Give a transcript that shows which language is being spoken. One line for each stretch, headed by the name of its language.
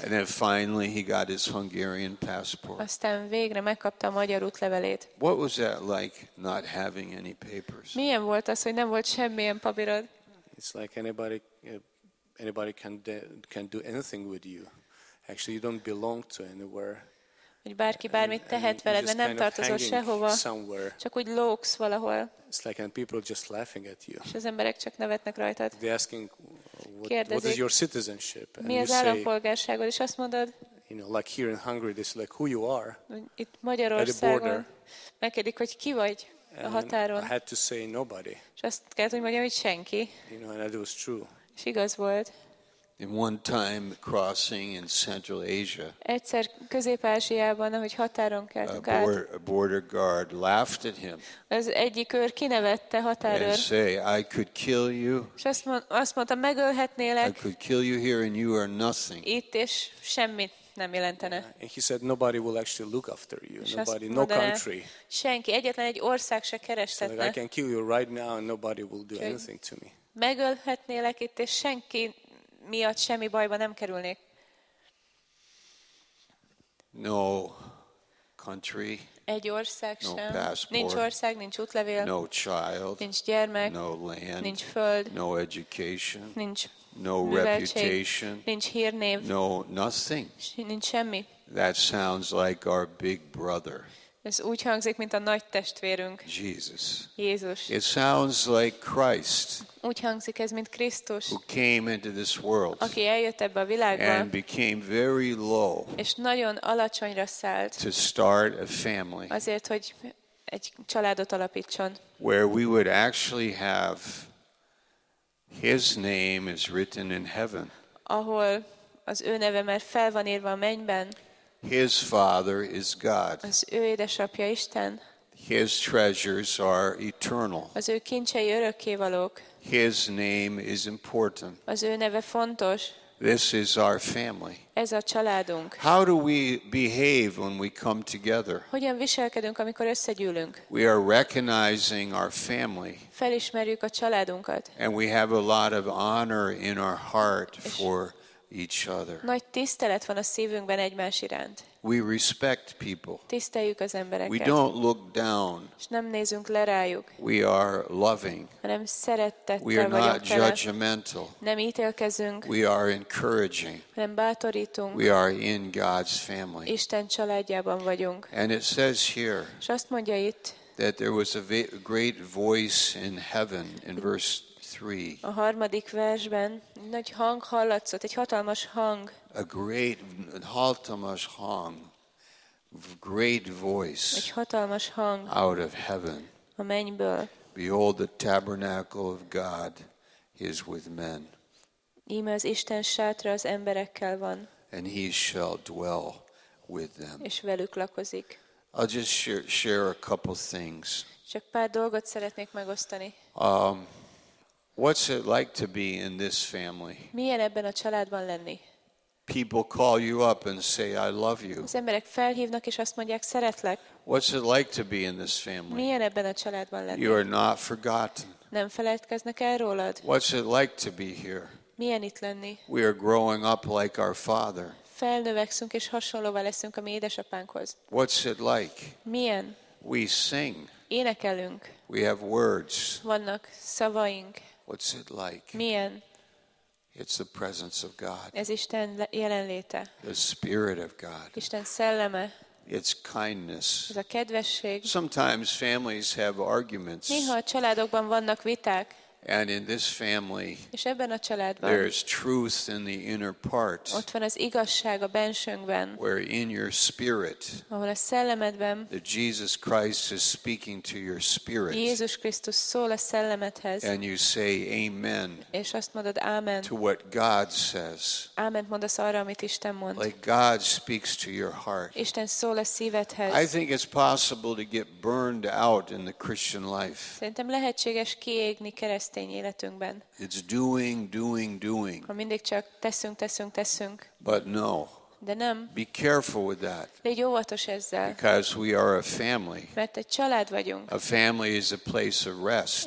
English: And then finally he got his Hungarian passport.
Hungarian: Aztán végre megkapta a magyar útlevelét.
English: What was that like, not having any papers?
Hungarian: Milyen volt az, hogy nem volt semmilyen papírod?
English: It's like anybody can do anything with you. Actually, you don't belong to anywhere.
Hungarian: Hogy bárki bármit tehet veled, mert nem tartozol sehova. Csak úgy lógsz valahol.
English: It's like and people are just laughing at you.
Hungarian: És az emberek csak nevetnek rajtad.
English: They're asking, what is your citizenship?
Hungarian: Mi az állampolgárságod? És azt mondod,
English: you know, like here in Hungary, this is like who you are.
Hungarian: Itt Magyarországon megkérdik, hogy ki vagy a határon.
English: I had to say nobody.
Hungarian: És azt kellett, hogy mondjam, hogy senki.
English: You know, and that was true.
Hungarian: És igaz volt.
English: In one time crossing in Central Asia.
Hungarian: Egyszer Közép-Ázsiában, ahogy határon keltünk át.
English: A border guard laughed at him.
Hungarian: Az egyik őr kinevette határőr.
English: And say, I could kill you.
Hungarian: És azt mondta, megölhetnélek.
English: I could kill you here and you are nothing.
Hungarian: Itt és semmit nem jelentene.
English: Yeah. And he said, nobody will actually look after you. Nobody, no country.
Hungarian: Senki, egyetlen egy ország se kerestetne.
English: So like, I can kill you right now and nobody will do anything to me.
Hungarian: Megölhetnélek itt és senki miatt semmi bajba nem kerülnék.
English: No country.
Hungarian: Egy ország
English: no
Hungarian: sem.
English: Passport,
Hungarian: nincs ország, nincs útlevél.
English: No child.
Hungarian: Nincs gyermek.
English: No land.
Hungarian: Nincs föld.
English: No education.
Hungarian: Nincs
English: no reputation.
Hungarian: Nincs hírnév.
English: No nothing.
Hungarian: Nincs semmi.
English: That sounds like our big brother.
Hungarian: Ez úgy hangzik, mint a nagy testvérünk.
English: Jesus.
Hungarian: Jézus.
English: It sounds like Christ.
Hungarian: Úgy hangzik ez, mint Krisztus.
English: Who came into this world.
Hungarian: Aki eljött ebbe a világba.
English: And became very low.
Hungarian: És nagyon alacsonyra szállt.
English: To start a family.
Hungarian: Azért, hogy egy családot alapítson.
English: Where we would actually have his name is written in heaven.
Hungarian: Ahol az ő neve már fel van írva a mennyben.
English: His father is God.
Hungarian: Az ő édesapja Isten.
English: His treasures are eternal.
Hungarian: Az ő kincsei örökkévalók.
English: His name is important.
Hungarian: Az ő neve fontos.
English: This is our family.
Hungarian: Ez a családunk.
English: How do we behave when we come together?
Hungarian: Hogyan viselkedünk, amikor összegyűlünk?
English: We are recognizing our family.
Hungarian: Felismerjük a családunkat.
English: And we have a lot of honor in our heart for each other.
Hungarian: Nagy tisztelet van a szívünkben egymás iránt.
English: We respect people.
Hungarian: Tiszteljük az embereket.
English: We don't look down.
Hungarian: És nem nézünk le rájuk.
English: We are loving.
Hungarian: Hanem szerettettel vagyunk.
English: We are not judgmental.
Hungarian: Nem ítélkezünk.
English: We are encouraging.
Hungarian: Hanem bátorítunk.
English: We are in God's family.
Hungarian: Isten családjában vagyunk.
English: And it says here.
Hungarian: És azt mondja itt.
English: That there was a great voice in heaven in verse 3.
Hungarian: A harmadik versben nagy hang hallatszott, egy hatalmas hang.
English: A great
Hungarian: hatalmas hang,
English: great voice.
Hungarian: Egy hatalmas hang.
English: Out of heaven.
Hungarian: A mennyből.
English: Behold the tabernacle of God is with men.
Hungarian: Íme az Isten sátra az emberekkel van.
English: And he shall dwell with them.
Hungarian: És velük lakozik.
English: I'll just share a couple things.
Hungarian: Csak pár dolgot szeretnék megosztani.
English: What's it like to be in this family?
Hungarian: Milyen ebben a családban lenni?
English: People call you up and say, I love you.
Hungarian: Az emberek felhívnak és azt mondják, szeretlek.
English: What's it like to be in this family?
Hungarian: Milyen ebben a családban lenni?
English: You are not forgotten.
Hungarian: Nem feledkeznek el rólad.
English: What's it like to be here?
Hungarian: Milyen itt lenni?
English: We are growing up like our father.
Hungarian: Felnövekszünk és hasonlóvá leszünk a mi édesapánkhoz.
English: What's it like?
Hungarian: Milyen?
English: We sing.
Hungarian: Énekelünk.
English: We have words.
Hungarian: Vannak szavaink.
English: What's it like?
Hungarian: Milyen?
English: It's the presence of God.
Hungarian: Ez Isten jelenléte.
English: The spirit of God.
Hungarian: Isten szelleme.
English: It's kindness.
Hungarian: Ez a kedvesség.
English: Sometimes families have arguments.
Hungarian: Néha a családokban vannak viták.
English: And in this family.
Hungarian: És ebben a családban.
English: There is truth in the inner part.
Hungarian: Ott van az igazság a bensőnkben.
English: Where in your spirit.
Hungarian: Ahol a szellemedben.
English: That Jesus Christ is speaking to your spirit.
Hungarian: Jézus Krisztus szól a szellemedhez.
English: And you say amen.
Hungarian: És azt mondod amen.
English: To what God says.
Hungarian: Amen mondasz arra, amit Isten mond.
English: Like God speaks to your heart.
Hungarian: Isten szól a szívedhez.
English: I think it's possible to get burned out in the Christian life.
Hungarian: Szerintem lehetséges kiégni keresztény életünkben.
English: It's doing, doing, doing.
Hungarian: Ha mindig csak teszünk, teszünk, teszünk.
English: But no.
Hungarian: De nem.
English: Be careful with that.
Hungarian: Légy óvatos ezzel.
English: Because we are a family.
Hungarian: Mert egy család vagyunk.
English: A family is a place of rest.